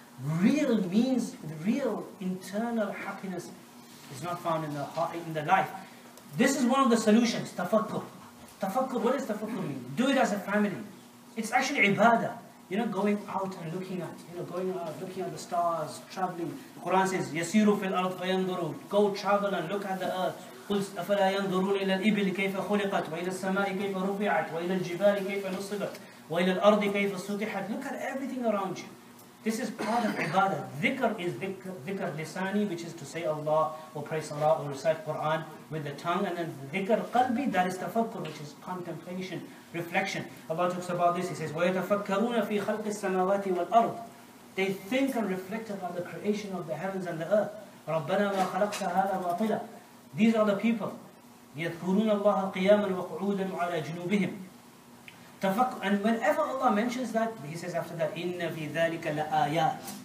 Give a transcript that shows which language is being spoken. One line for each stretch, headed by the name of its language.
English: Real means, the real internal happiness is not found in the heart, in the life. This is one of the solutions, tafakkur. Tafakkur, what does tafakkur mean? Do it as a family. It's actually ibadah. You know, going out and looking at, you know, going out, looking at the stars, traveling.
Arabic: The Quran says, يَسِيرُ فِي الْأَرْضِ فَيَنْظُرُوا.
English: Go travel and look at the earth.
Arabic: قُلْ أَفَلَا يَنْظُرُونَ إِلَى الْإِبِلِ كَيْفَ خُلِقَتْ وَإِلَى السَّمَاءِ كَيْفَ رُفِعَتْ وَإِلَى الْجِبَالِ كَيْفَ نُصِبَتْ وَإِلَى الْأَرْضِ كَيْفَ سُطِحَتْ.
English: Look at everything around you. This is part of ibadah. Dhikr is dhikr lisani, which is to say Allah or pray Salah or recite Quran with the tongue. And then dhikr qalbi, that is tafakkur, which is contemplation, reflection. Allah talks about this.
Arabic: He says, وَيَتَفَكَّرُونَ فِي خَلْقِ السَّمَاوَاتِ وَالْأَرْضِ.
English: They think and reflect about the creation of the heavens and the earth.
Arabic: رَبَّنَا مَا خَلَقْتَ هَذَا بَاطِلًا.
English: These are the people.
Arabic: يَذْكُرُونَ اللَّهَ قِيَامًا وَقُعُودًا عَلَى جُنُوبِهِمْ.
English: And whenever Allah mentions that, He says after that,
Arabic: إِنَّ فِي ذَلِكَ لَآيَاتٍ.